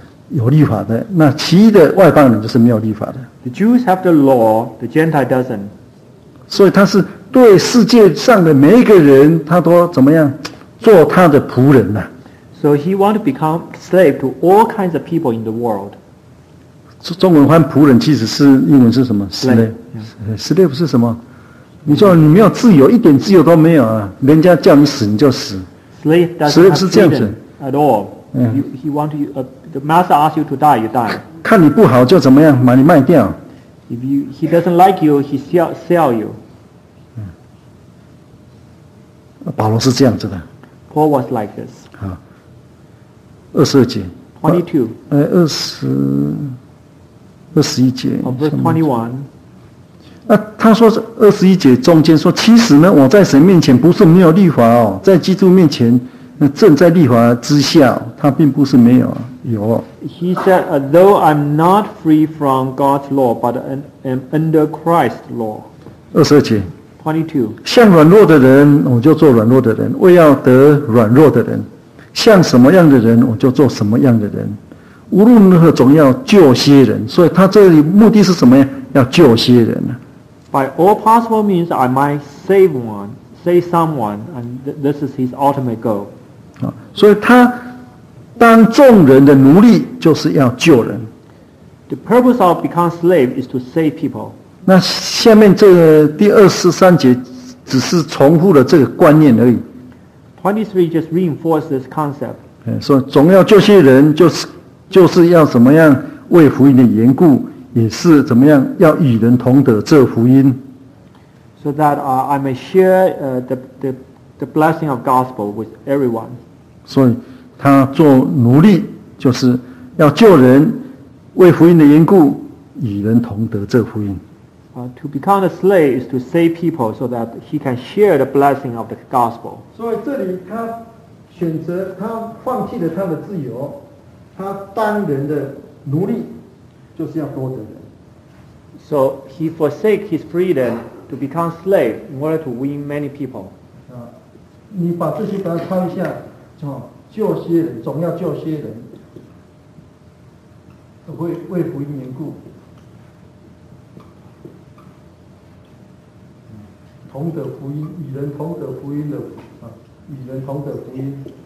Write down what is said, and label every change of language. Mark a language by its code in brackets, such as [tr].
[zh] 有律法的，那其余的外邦人就是没有律法的。 [en] The Jews have the law, the Gentile doesn't. [zh] 所以他是对世界上的每一个人，他都怎么样做他的仆人呢、啊、 [en] ？So he want to become slave to all kinds of people in the world. [zh] 中文翻仆人其实是英文是什么 [en] ？slave [zh] 是什么？你说你没有自由，一点自由都没有啊！人家叫你死你就死。 [en] Slave doesn't [zh] slave 是这样子 [en] at all.、Yeah. He want to.、The master asks you to die, you die. [zh] 看你不好就怎么样，把你卖掉。 [en] If you, he doesn't like you, he sell you.、 [zh] 嗯、保罗是这样子的。 [en] Paul was like this. [zh] 好，二十二节。 22。二十一节。 [en] Verse 21。 [zh] 那、啊、他说是二十一节中间说，其实呢，我在神面前不是没有律法哦，在基督面前。那正在律法之下，他并不是没有有。 [en] He said, "Though I'm not free from God's law, but am under Christ's law." [zh] 二十二节。 22。像软弱的人，我就做软弱的人，为要得软弱的人；像什么样的人，我就做什么样的人。无论如何，总要救些人。所以他这里目的是什么呀？要救些人呢 [en] ？By all possible means, I might save one. Say someone, and this is his ultimate goal. [zh] 所以他当众人的奴隶就是要救人。 [en] The purpose of becoming slave is to save people. [zh] 那下面这个第二十三节只是重复了这个观念而已。 [en] 23 just reinforced this concept. [zh] 所以总要救些人，就是要怎么样为福音的缘故，也是怎么样要与人同得这福音。 [en] So that I may share the blessing of gospel with everyone. [zh] 所以他做奴隶就是要救人，为福音的缘故与人同得这福音。 [en] To become a slave is to save people so that he can share the blessing of the gospel. [zh] 所以这里他选择他放弃了他的自由，他当人的奴隶，就是要多得人。 [en] So he forsake his freedom. To become slave in order to win many people. [zh] 啊，你把这些把它抄一下，哦，救些人，总要救些人，为福音缘故，同德福音，与人同德福音的啊，与人同德福音。